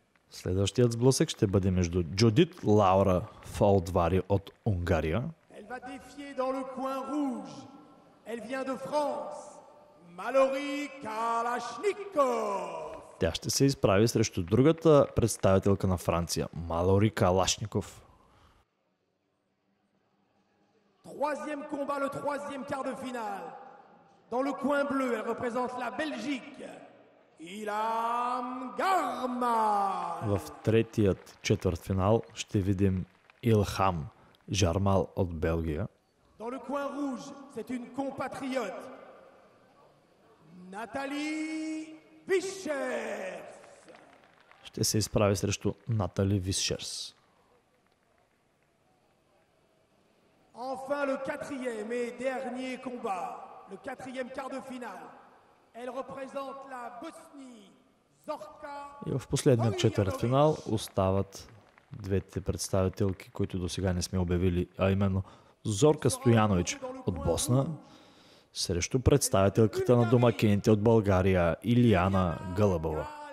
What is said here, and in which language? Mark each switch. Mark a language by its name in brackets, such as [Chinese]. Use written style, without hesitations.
[Bulgarian] Следващият сблъсък ще бъде между Джудит Лаура Фолдвари от Унгария. [French] Elle va défier dans le coin rouge. Elle vient de France. Mallory Kalashnikov. [Bulgarian] Тя ще се изправи срещу другата представителка на Франция, Mallory Kalashnikov. [French] Troisième combat, le troisième quart de finale. Dans le coin bleu, elle représente la Belgique. Ilham Garma. [Bulgarian] В третият четвъртфинал ще видим Ilham Jarmal от Белгия. [French] Dans le coin rouge, c'est une compatriote. Nathalie Vischers. [Bulgarian] Ще се изправи срещу Натали Вишерс. [French] Enfin le quatrième et dernier combat. Le quatrième quart de finale. Elle représente la Bosnie. Zorka. [Bulgarian] И в последния четвъртфинал остават двете представителки, които до сега не сме обявили, а именно Зорка Стоянович от Босна срещу представителката на домакините от България Илияна Гълъбова.